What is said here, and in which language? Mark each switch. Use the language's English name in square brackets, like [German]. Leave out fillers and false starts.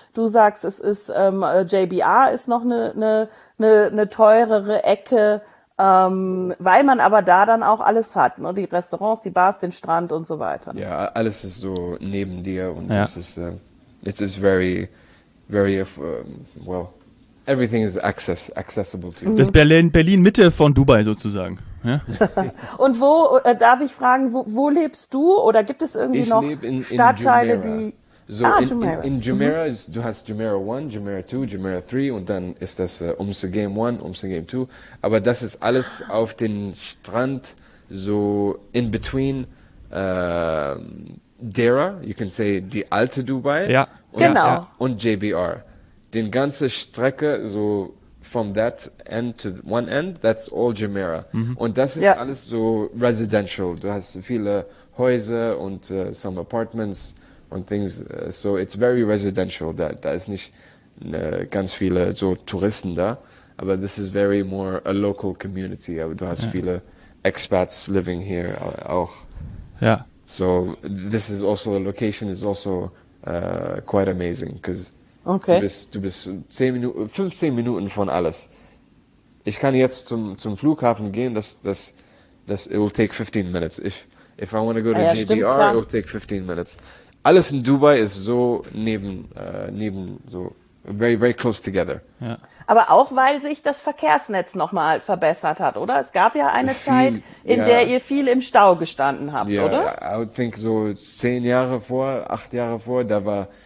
[German] Du sagst, es ist, JBR ist noch eine teurere Ecke, weil man aber da dann auch alles hat, ne? Die Restaurants, die Bars, den Strand und so weiter. Ja, alles ist so neben dir und es ist, [English] it's very, very, well... Everything is accessible to you. [German] Das Berlin Mitte von Dubai sozusagen. Ja? Und wo, darf ich fragen, wo lebst du? Oder gibt es irgendwie ich noch Stadtteile, die... So Jumeirah. In Jumeirah, du hast Jumeirah 1, Jumeirah 2, Jumeirah 3 und dann ist das Umse Game 1, Umse Game 2. Aber das ist alles auf den Strand, [English] so in between Dera, you can say [German] die alte Dubai und JBR. Den ganze Strecke, [English] so from that end to one end, that's all Jumeirah. Mhm. [German] Und das ist alles so residential. Du hast viele Häuser und [English] some apartments [German] und things. [English] So it's very residential. [German] Da ist nicht ganz viele so Touristen da. [English] Aber this is very more a local community. [German] Aber du hast viele Expats [English] living here [German] auch. Ja. [English] So this is also, the location is also quite amazing, because okay. [German] Du bist 15 Minuten von alles. Ich kann jetzt zum Flughafen gehen, das [English] it will take 15 minutes. If I want to go to JBR, it will take 15 minutes. [German] Alles in Dubai ist so neben [English] so very, very close together. [German] Ja. Aber auch, weil sich das Verkehrsnetz nochmal verbessert hat, oder? Es gab ja eine Zeit, in der ihr viel im Stau gestanden habt, oder? [English] I would think so [German] 8 Jahre vor, da war...